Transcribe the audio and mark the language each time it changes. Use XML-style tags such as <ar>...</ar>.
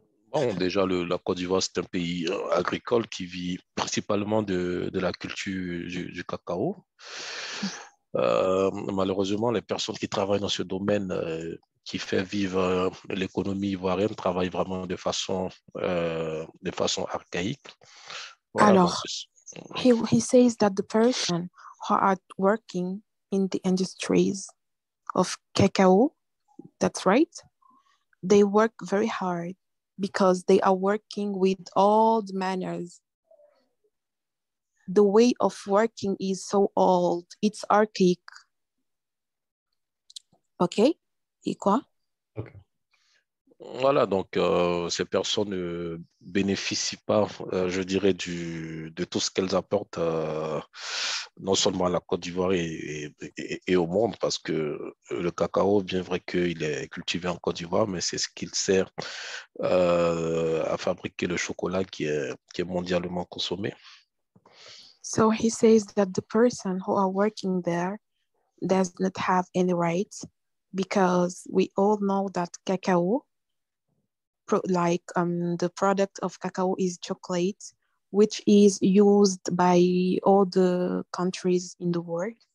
<fr>Bon, déjà, la Côte d'Ivoire, c'est un pays agricole qui vit principalement de la culture du cacao. Malheureusement, les personnes qui travaillent dans ce domaine qui fait vivre l'économie ivoirienne travaillent vraiment de façon archaïque. Voilà.</fr> <en>Alors, he says that the person who are working in the industries of cacao, that's right, they work very hard because they are working with old manners. The way of working is so old, it's archaic.</en> <fr>Okay? Et quoi?</fr> <en>Okay.</en> <fr>Voilà, donc ces personnes ne bénéficient pas, je dirais, de tout ce qu'elles apportent, non seulement à la Côte d'Ivoire et au monde, parce que le cacao, bien vrai qu'il est cultivé en Côte d'Ivoire, mais c'est ce qu'il sert à fabriquer le chocolat qui est mondialement consommé.</fr> <en>So he says that the person who are working there does not have any rights, because we all know that cacao, the product of cacao is chocolate, which is used by all the countries in the world.</en>